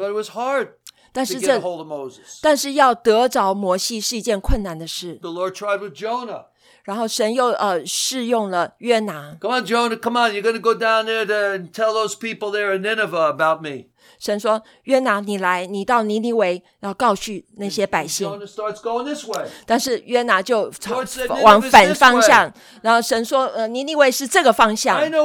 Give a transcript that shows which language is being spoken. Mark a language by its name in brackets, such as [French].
[English] But it was hard to get a hold of Moses. [Chinese] 但是要得着摩西是一件困难的事。 [English] The Lord tried with Jonah. [Chinese] 然后神又试用了约拿。 [English] Come on, Jonah, come on, you're going to go down there to tell those people there in Nineveh about me. [Chinese] 神说，约拿你来，你到尼尼微，然后告诉那些百姓。但是约拿就往反方向，然后神说，尼尼微是这个方向。